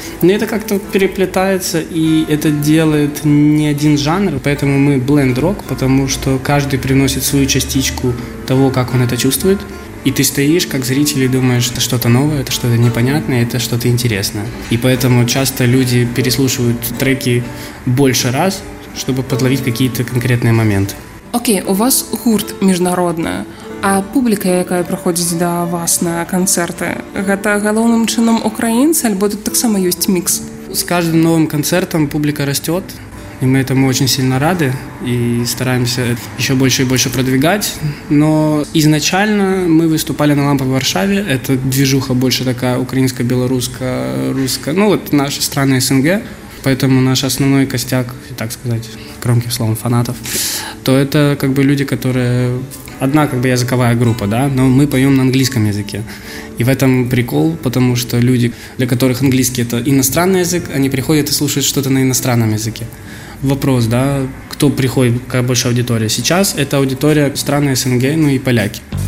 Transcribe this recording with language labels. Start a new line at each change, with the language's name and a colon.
Russian: Но это как-то переплетается, и это делает не один жанр, поэтому мы бленд-рок, потому что каждый приносит свою частичку того, как он это чувствует, и ты стоишь как зритель и думаешь, это что-то новое, это что-то непонятное, это что-то интересное. И поэтому часто люди переслушивают треки больше раз, чтобы подловить какие-то конкретные моменты. Окей, у вас гурт международный.
Ukrainian: А публіка, яка приходить до вас на концерти, це головним чином українці, або тут так само є мікс? З кожним новим концертом публіка росте, і ми цьому дуже сильно раді, і стараємося ще більше і більше продвигати. Але ізначально ми виступали на «Лампа в Варшаві», це движуха більше така українська, білоруська, руська, ну от наші країни СНГ, тому наш основний костяк, так сказати, громким словом, фанатів, то це
Russian: как бы
Ukrainian: люди, які...
Russian: Одна как бы языковая группа, да, но мы поем на английском языке. И в этом прикол, потому что люди, для которых английский – это иностранный язык, они приходят и слушают что-то на иностранном языке. Вопрос, да, кто приходит, какая больше аудитория? Сейчас это аудитория страны СНГ, ну и поляки.